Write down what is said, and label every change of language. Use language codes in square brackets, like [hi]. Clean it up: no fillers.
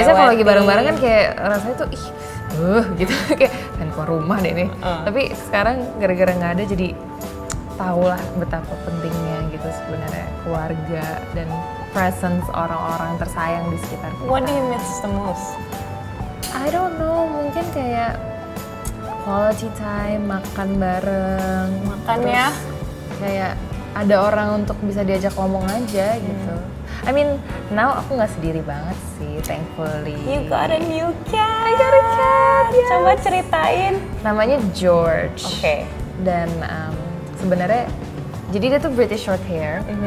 [id] Biasanya kalau lagi bareng-bareng kan kayak rasanya tuh ih, gitu kayak pengen keluar rumah deh nih. Tapi sekarang gara-gara enggak ada jadi tahulah betapa pentingnya gitu sebenarnya keluarga dan presence orang-orang tersayang di sekitar kita. [en] What do you miss the most? I don't know, [id] mungkin kayak quality time, makan bareng, makan ya. Kayak ada orang untuk bisa diajak ngomong aja gitu. [en] I mean, now [id] aku gak sendiri banget sih, thankfully. [en] You got a new cat! I got a cat, yes! [id] Coba ceritain. Namanya George. Oke. Okay. Dan sebenarnya, jadi dia tuh British Short Hair.